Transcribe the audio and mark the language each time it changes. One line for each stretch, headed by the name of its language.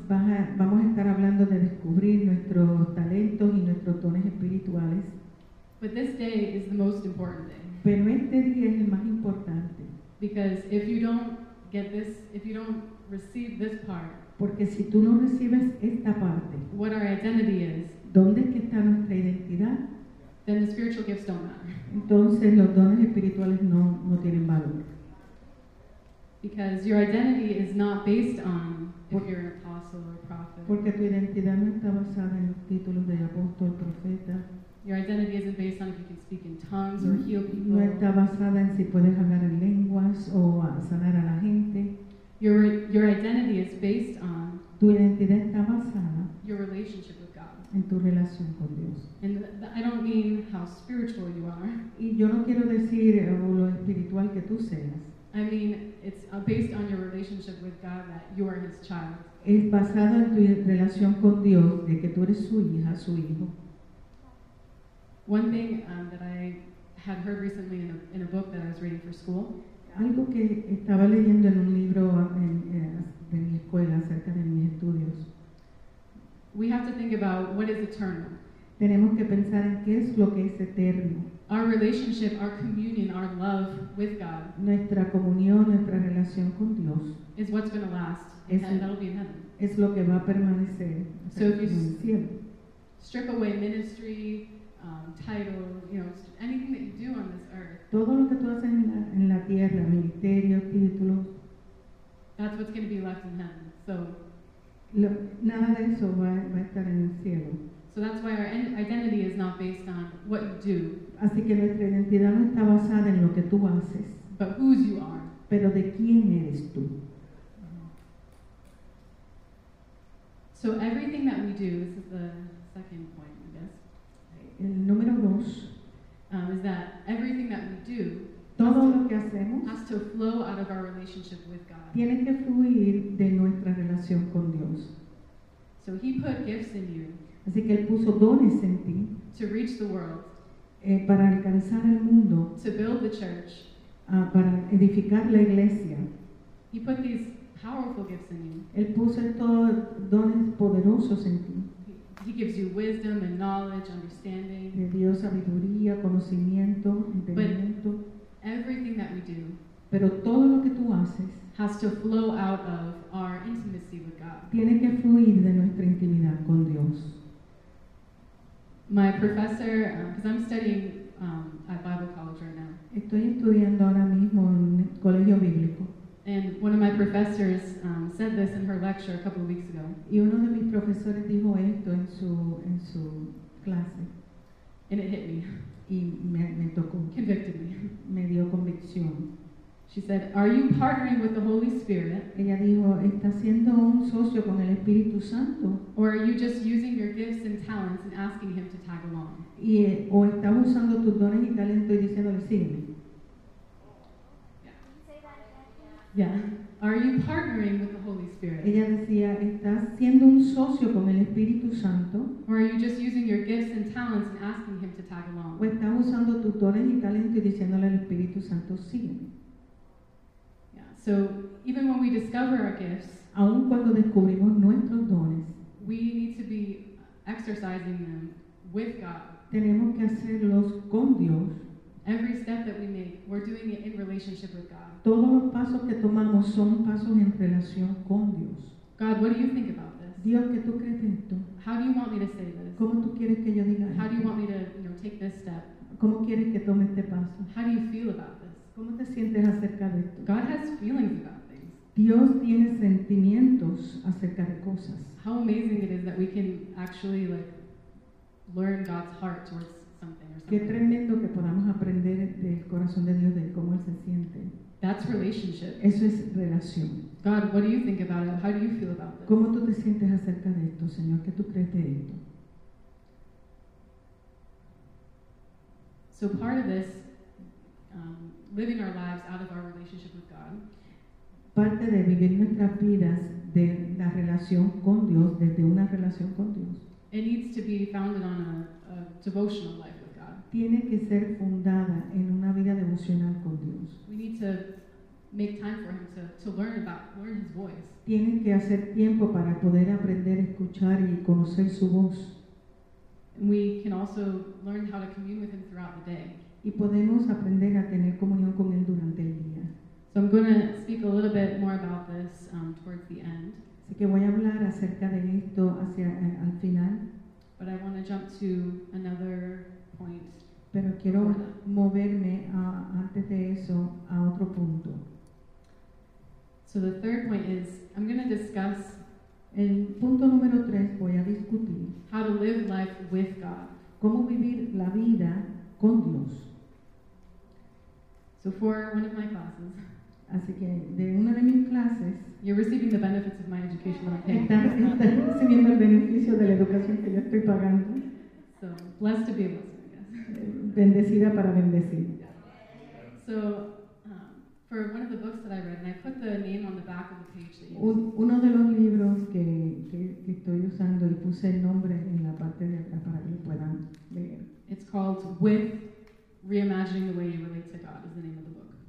Spanish: Vamos a estar hablando de descubrir nuestros talentos y nuestros dones espirituales.
English: But this day is the most important day.
Spanish: Pero este día es el más importante.
English: Because if you don't get this, if you don't receive this part,
Spanish: porque si tú no recibes esta parte,
English: what our identity is,
Spanish: ¿dónde es que está nuestra identidad?
English: Then the spiritual gifts don't matter.
Spanish: Entonces los dones espirituales no tienen valor.
English: Because your identity is not based on if you're an apostle or a prophet.
Spanish: Porque tu identidad no está basada en los títulos de apóstol, profeta.
English: Your identity isn't based on if you can speak in tongues or heal people.
Spanish: No está basada en si puedes hablar en lenguas o sanar a la gente.
English: Your identity is based on
Spanish: tu identidad está basada
English: your relationship with God.
Spanish: En tu relación con Dios.
English: And I don't mean how spiritual you are.
Spanish: Y yo no quiero decir lo espiritual que tú seas.
English: I mean, it's based on your relationship with God that you are His child.
Spanish: Es basado en tu relación con Dios de que tú eres su hija, su hijo.
English: One thing that I had heard recently in a book that I was reading for school.
Spanish: Algo que estaba leyendo en un libro de mi escuela acerca de mis estudios.
English: We have to think about what is eternal.
Spanish: Tenemos que pensar en qué es lo que es eterno.
English: our relationship, our communion, our love with God.
Spanish: Nuestra comunión, nuestra relación con Dios.
English: Is what's going to last. And that'll be in heaven.
Spanish: Es lo que va a permanecer.
English: So if you strip away ministry, title, you know, anything that you do on this earth.
Spanish: Todo lo que tú haces en la tierra, ministerio, título.
English: That's what's going to be left in heaven. So.
Spanish: Nada de eso va a estar en el cielo.
English: So that's why our identity is not based on what you do.
Spanish: Así que nuestra identidad no está basada en lo que tú haces.
English: But whose you are.
Spanish: Pero de quién eres tú.
English: So everything that we do, this is the second point, I guess.
Spanish: El número dos.
English: Is that everything that we do.
Spanish: Todo lo que hacemos.
English: Has to flow out of our relationship with God.
Spanish: Tiene que fluir de nuestra relación con Dios.
English: So he put gifts in you.
Spanish: Así que él puso dones en ti.
English: To reach the world.
Spanish: Para alcanzar el mundo.
English: To build the church.
Spanish: Para edificar la iglesia.
English: He put these powerful gifts in you.
Spanish: Él puso estos dones poderosos en ti.
English: He gives you wisdom and knowledge, understanding.
Spanish: Le dio sabiduría, conocimiento, entendimiento.
English: Everything that we do.
Spanish: Pero todo lo que tú haces.
English: Has to flow out of our intimacy with God.
Spanish: Tiene que fluir de nuestra intimidad con Dios.
English: My professor, because I'm studying at Bible College right now.
Spanish: Estoy estudiando ahora mismo en el colegio bíblico.
English: And one of my professors said this in her lecture a couple of weeks ago.
Spanish: Y uno de mis profesores dijo esto en su clase.
English: And it hit me.
Spanish: Y me tocó.
English: Convicted me.
Spanish: Me dio convicción.
English: She said, "Are you partnering with the Holy Spirit?"
Spanish: Ella dijo, "¿Está siendo un socio con el Espíritu Santo?"
English: Or are you just using your gifts and talents and asking him to tag along?
Spanish: Y o está usando tus dones y talentos y diciéndole, "Sígueme."
English: Yeah. Are you partnering with the Holy Spirit?
Spanish: Ella decía, ¿estás siendo un socio con el Espíritu Santo?
English: Or are you just using your gifts and talents and asking him to tag along?
Spanish: O está usando tus dones y talentos y diciéndole al Espíritu Santo, "Sígueme."
English: So even when we discover our gifts,
Spanish: aun cuando descubrimos nuestros dones,
English: we need to be exercising them with God.
Spanish: Tenemos que hacerlos con Dios.
English: Every step that we make, we're doing it in relationship with God.
Spanish: Todos los pasos que tomamos son pasos en relación con Dios.
English: God, what do you think about this?
Spanish: Dios, ¿qué tú crees de esto?
English: How do you want me to say this?
Spanish: ¿Cómo tú quieres que yo diga esto?
English: How do you want me to, you know, take this step?
Spanish: ¿Cómo quieres que tome este paso?
English: How do you feel about this?
Spanish: ¿Cómo te sientes acerca de esto?
English: God has feelings about things.
Spanish: Dios tiene sentimientos acerca de cosas.
English: How amazing it is that we can actually like learn God's heart towards something or something.
Spanish: Qué tremendo que podamos aprender del corazón de Dios, de cómo él se siente.
English: That's relationship.
Spanish: Eso es relación.
English: God, what do you think about it? How do you feel about this?
Spanish: ¿Cómo tú te sientes acerca de esto, Señor? ¿Qué tú crees de esto?
English: So part of this living our lives out of our relationship with God.
Spanish: Parte de vivir nuestras vidas de la relación con Dios, desde una relación con Dios.
English: It needs to be founded on a devotional life with God.
Spanish: Tiene que ser fundada en una vida devocional con Dios.
English: We need to make time for him to learn his voice.
Spanish: Tienen que hacer tiempo para poder aprender a escuchar y conocer su voz.
English: And we can also learn how to commune with him throughout the day.
Spanish: Y podemos aprender a tener comunión con él durante el día.
English: So I'm going to speak a little bit more about this towards the end.
Spanish: Así que voy a hablar acerca de esto hacia al final.
English: But I want to jump to another point.
Spanish: Pero quiero moverme antes de eso a otro punto.
English: So the third point is I'm going to discuss
Spanish: el punto número tres, voy a discutir
English: how to live life with God.
Spanish: Cómo vivir la vida con Dios.
English: So for one of my classes,
Spanish: así que de una de mis clases,
English: you're receiving the benefits of my education that I'm paying.
Spanish: Están recibiendo el beneficio de la educación que yo estoy pagando.
English: So blessed to be a blessing, I guess.
Spanish: Bendecida para bendecir. Yeah.
English: So for one of the books that I read, and I put the name on the back of the page that you.
Spanish: Uno de los libros que estoy usando y puse el nombre en la parte de acá para que puedan leer.
English: It's called With. Reimagining the Way You Relate to God is the name of the book.